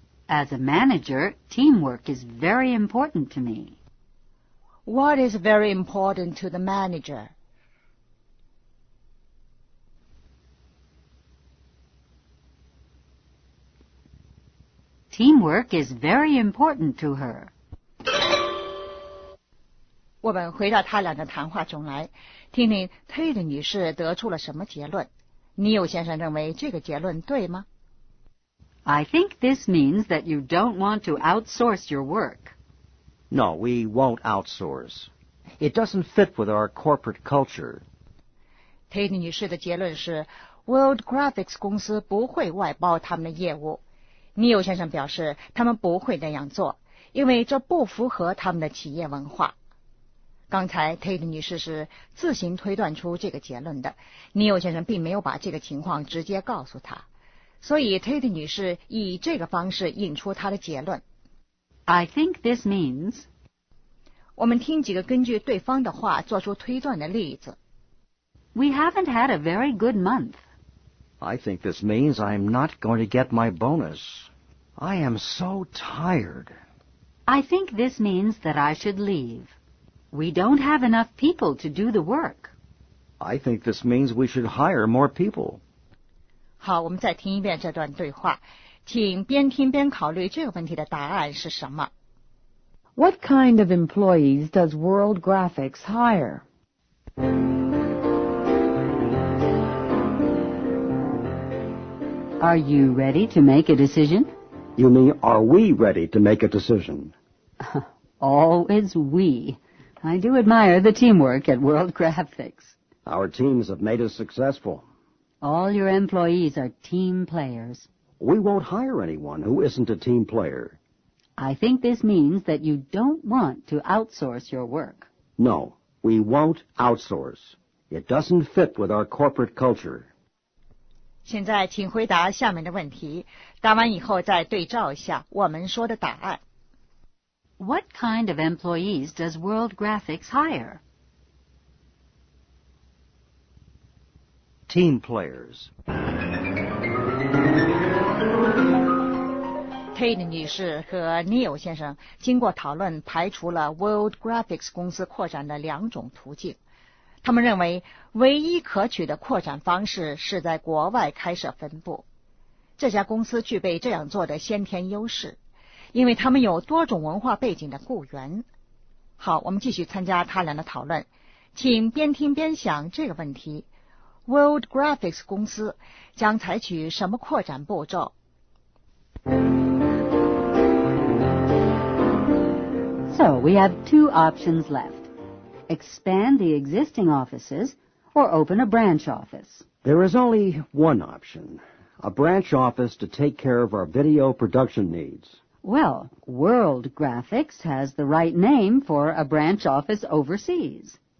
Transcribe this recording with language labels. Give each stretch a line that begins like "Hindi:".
English: As a manager, teamwork is very important to me. What is very important to the manager? Teamwork is very important to her.
Chinese: 我们回到他俩的谈话中来，听听 Tate 女士得出了什么结论。尼友先生认为这个结论对吗？
English: I think this means that you don't want to outsource your work. No, we won't outsource. It doesn't fit with our corporate culture.
Chinese: Tate 女士的结论是 World Graphics 公司不会外包他们的业务。 Neil 先生表示他们不会那样做，因为这不符合他们的企业文化。刚才 Tate 女士是自行推断出这个结论的。 Neil 先生并没有把这个情况直接告诉她。所以 Tate 女士以这个方式引出她的结论。
English: I think this means...
Chinese: 我们听几个根据对方的话做出推断的例子。
English: We haven't had a very good month. I think this means I'm not going to get my bonus. I am so tired. I think this means that I should leave. We don't have enough people to do the work. I think this means we should hire more people.
Chinese: 好，我们再听一遍这段对话，请边听边考虑这个问题的答案是什么。
English: What kind of employees does World Graphics hire? Are you ready to make a decision? You mean, are we ready to make a decision? Always we. I do admire the teamwork at World Graphics. Our teams have made us successful. All your employees are team players. We won't hire anyone who isn't a team player. I think this means that you don't want to outsource your work. No, we won't outsource. It doesn't fit with our corporate culture.
Chinese: 现在请回答下面的问题，答完以后再对照一下我们说的答案。
English: What kind of employees does World Graphics hire? Team players.
Chinese: Tate 女士和 Neil 先生经过讨论排除了 World Graphics 公司扩展的两种途径。他们认为唯一可取的扩展方式是在国外开设分部。这家公司具备这样做的先天优势，因为他们有多种文化背景的雇员。好，我们继续参加他俩的讨论，请边听边想这个问题。 World Graphics 公司将采取什么扩展步骤？
English: So, we have two options left. Expand the existing offices or open a branch office. There is only one option. A branch office to take care of our video production needs. Well, World Graphics has the right name for a branch office overseas.